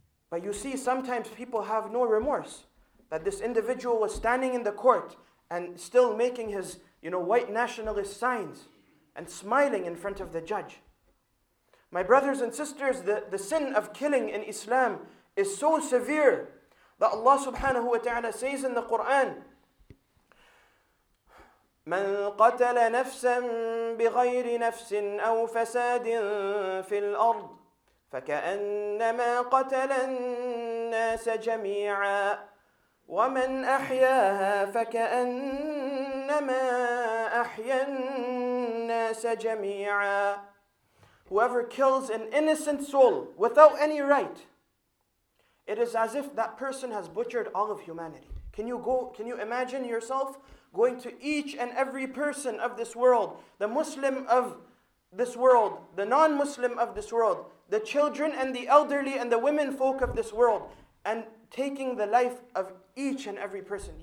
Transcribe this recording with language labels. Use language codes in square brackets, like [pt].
[en] But you see, sometimes people have no remorse. That this individual was standing in the court and still making his, you know, white nationalist signs and smiling in front of the judge. My brothers and sisters, the sin of killing in Islam is so severe that Allah subhanahu wa ta'ala says in the Quran, [ar] من قتل نفسا بغير نفس أو فساد في الأرض فكأنما قتل الناس جميعا ومن أحياها فكأنما أحيا الناس جميعا. [en] Whoever kills an innocent soul without any right, it is as if that person has butchered all of humanity. Can you go? Can you imagine yourself going to each and every person of this world, the Muslim of this world, the non-Muslim of this world, the children and the elderly and the women folk of this world, and taking the life of each and every person?